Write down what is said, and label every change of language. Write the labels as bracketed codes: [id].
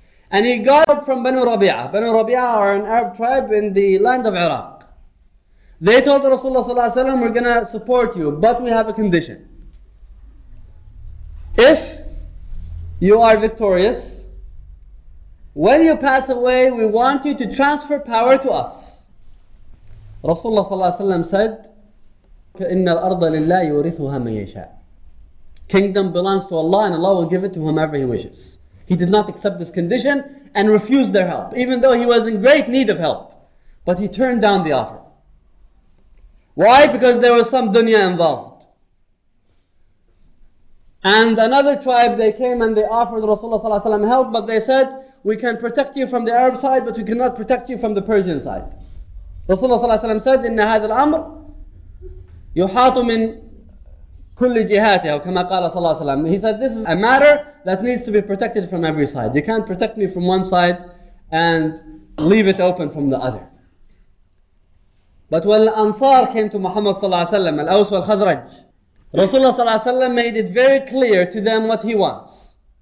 [en] And he got help from Banu Rabi'ah. Banu Rabi'ah are an Arab tribe in the land of Iraq. They told Rasulullah صلى الله عليه وسلم, we're going to support you, but we have a condition. If you are victorious, when you pass away, we want you to transfer power to us. [ar] Rasulullah صلى الله عليه وسلم said, إِنَّ الْأَرْضَ لِلَّهِ يُورِثُهَا مَنْ يَشَاءُ. [en] Kingdom belongs to Allah and Allah will give it to whomever He wishes. He did not accept this condition and refused their help, even though he was in great need of help. But he turned down the offer. Why? Because there was some dunya involved. And another tribe, they came and they offered Rasulullah ﷺ help, but they said, we can protect you from the Arab side, but we cannot protect you from the Persian side. [ar] Rasulullah ﷺ said, إِنَّ هَذَا الْأَمْرُ يُحَاطُ مِنْ كُلِّ جِهَاتِهَا كَمَا قَالَ صَلَى اللَّهُ عَلَيْهِ وَسَلَّمَ. [en] He said, this is a matter that needs to be protected from every side. You can't protect me from one side and leave it open from the other. But when Ansar came to Muhammad ﷺ, Al-Aws wal-Khazraj, Rasulullah ﷺ made it very clear to them what he wants.